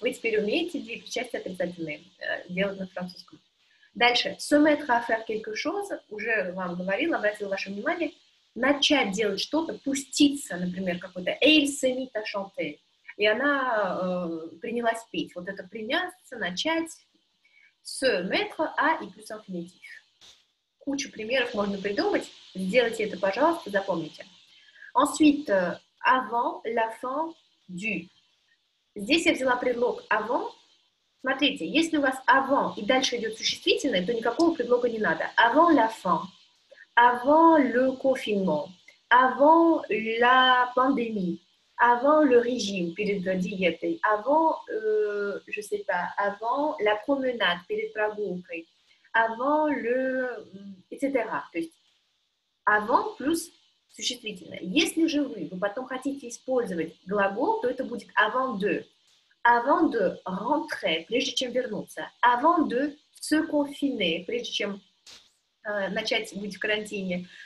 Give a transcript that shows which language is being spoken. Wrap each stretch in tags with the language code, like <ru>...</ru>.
<ru>Вы теперь умеете деепричастие отрицательное делать на французском. Дальше,</ru> <fr>se mettre à faire quelque chose,</fr> <ru>уже вам говорила, обратила ваше внимание, начать делать что-то, пуститься, например, какой-то</ru> <fr>«Elle se mit à chanter».</fr> <ru>И она принялась петь. Вот это приняться, начать.</ru> <fr>Se mettre à и plus infinitif.</fr> <ru>Кучу примеров можно придумать. Сделайте это, пожалуйста, запомните.</ru> <fr>Ensuite, avant, la fin, du.</fr> <ru>Здесь я взяла предлог avant. Смотрите, если у вас avant и дальше идет существительное, то никакого предлога не надо.</ru> <fr>Avant la fin. Avant le confinement. Avant la pandémie. Avant le régime,</fr> <ru>перед диетой,</ru> <fr>avant, je sais pas, avant la promenade,</fr> <ru>перед прогулкой,</ru> <fr>avant le, etc.</fr> <ru>То есть</ru> <fr>avant plus</fr> <ru>существительное. Если же вы потом хотите использовать глагол, то это будет</ru> <fr>avant de rentrer,</fr> <ru>прежде чем вернуться,</ru> <fr>avant de se confiner,</fr> <ru>прежде чем начать быть в карантине,</ru>